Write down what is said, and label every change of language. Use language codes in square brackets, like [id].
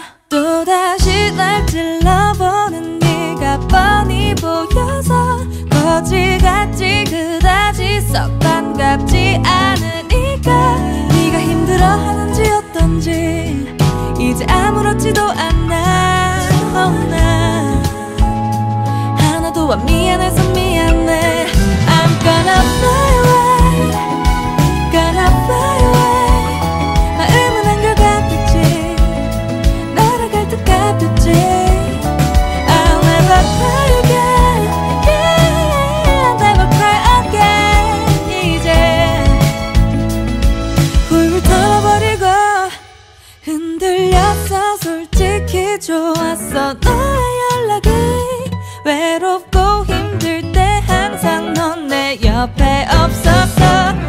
[ko] 또다시 날 찔러보는 네가 뻔히 보여서 거지같지 그다지 썩 반갑지 않으니까. 네가 힘들어하는지 어떤지 이제 아무렇지도 않아. Oh, 나 하나도 안 미안해서 미안해. [en] I'm gonna fly away, gonna fly away. [ko] 마음은 한결 같았지, 날아갈 듯 같았지. [en] I'll never cry again, yeah, I'll never cry again. [ko] 이제 훌훌 털어버리고 흔들려. 솔직히 좋았어 너의 연락이. 외롭고 힘들 때 항상 넌 내 옆에 없었어.